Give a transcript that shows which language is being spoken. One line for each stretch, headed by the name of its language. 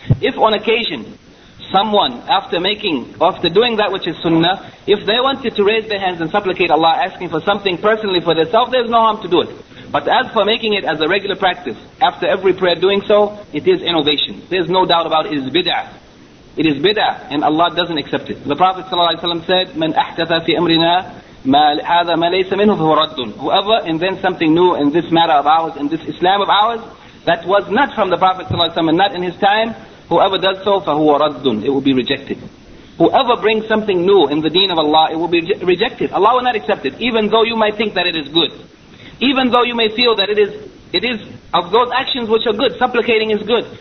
English: If on occasion someone, after doing that which is sunnah, if they wanted to raise their hands and supplicate Allah asking for something personally for themselves, there's no harm to do it. But as for making it as a regular practice after every prayer doing so, it is innovation. There's no doubt about it. It is bid'ah, and Allah doesn't accept it. The Prophet ﷺ said,
Arabic: من أحدث في أمرنا هذا ما ليس منه فهو رد.
English: Whoever invents something new in this matter of ours, in this Islam of ours, that was not from the Prophet ﷺ and not in his time, whoever does so,
Arabic: فهو رد.
English: It will be rejected. Whoever brings something new in the deen of Allah, it will be rejected. Allah will not accept it, even though you might think that it is good. Even though you may feel that it is of those actions which are good. Supplicating is good.